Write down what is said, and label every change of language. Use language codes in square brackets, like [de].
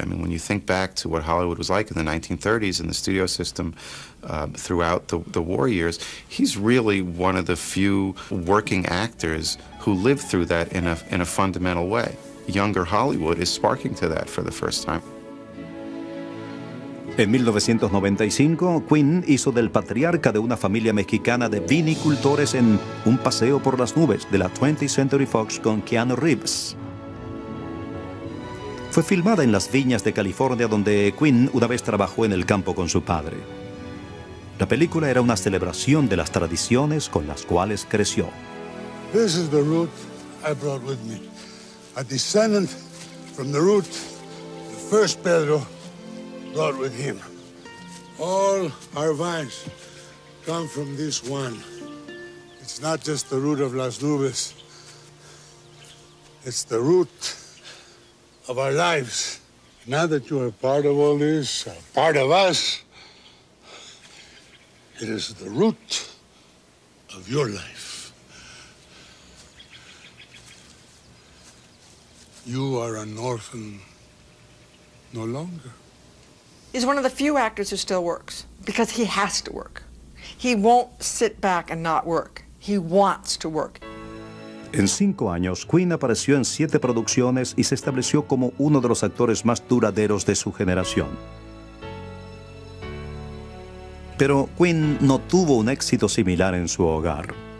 [en] I mean, when you think back to what Hollywood was like in the 1930s in the studio system, throughout the war years, he's really one of the few working actors who lived through that in a fundamental way. younger Hollywood is sparking to that for the first time. [es] En 1995, Quinn hizo del patriarca de una familia mexicana de vinicultores en Un paseo por las nubes de la 20th Century Fox con Keanu Reeves. Fue filmada en las viñas de California donde Quinn una vez trabajó en el campo con su padre. La película era una celebración de las tradiciones con las cuales creció. [en] This is the root I brought with me. A descendant from the root, the first Pedro brought with him. All our vines come from this one. It's not just the root of Las Nubes. It's the root of our lives. Now that you are part of all this, part of us, it is the root of your life. You are an orphan no longer. He's one of the few actors who still works because he has to work. He won't sit back and not work. He wants to work. [es] En 5 años, Quinn apareció en 7 producciones y se estableció como uno de los actores más duraderos de su generación. Pero Quinn no tuvo un éxito similar en su hogar.